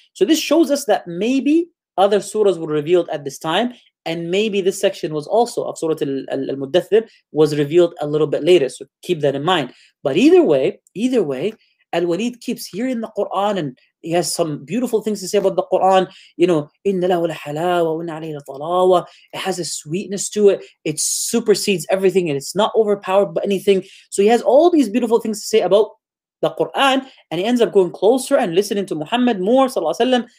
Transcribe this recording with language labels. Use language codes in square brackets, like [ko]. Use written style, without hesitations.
[en] So this shows us that maybe other surahs were revealed at this time, and maybe this section was also of Surah Al-Mudathir was revealed a little bit later. So keep that in mind. But either way, Al-Walid keeps hearing the Quran, and he has some beautiful things to say about the Quran. You know, [ar] إِنَّ لَهُ الْحَلَاوَ وَإِنَّ عَلَيْهِ الْطَلَاوَ. [en] It has a sweetness to it. It supersedes everything, and it's not overpowered by anything. So he has all these beautiful things to say about the Quran, and he ends up going closer and listening to Muhammad more, sallallahu alayhi wa sallam.